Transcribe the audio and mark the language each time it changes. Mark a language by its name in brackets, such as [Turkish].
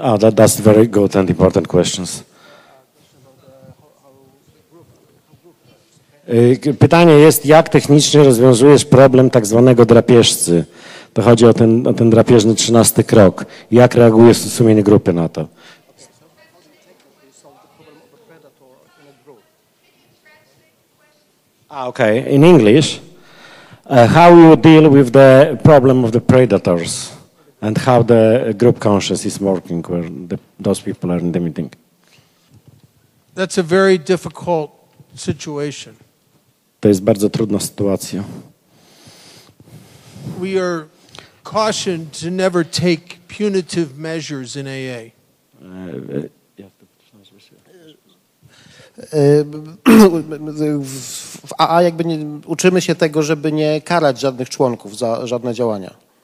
[English] Oh, that's very good and important questions. [Polish] Pytanie jest, jak technicznie rozwiązujesz problem tak zwanego drapieżcy? To chodzi o ten drapieżny 13 krok. Jak reaguje sumienie grupy na to? [English] Okay. In English, how you deal with the problem of the predators? And how the group consciousness is working where those people are in the meeting. That's a very difficult situation. [Polish] To jest bardzo trudna sytuacja. [English] We are cautioned to never take punitive measures in AA. [Polish] W AA jakby nie, uczymy się tego, żeby nie karać żadnych członków za żadne działania.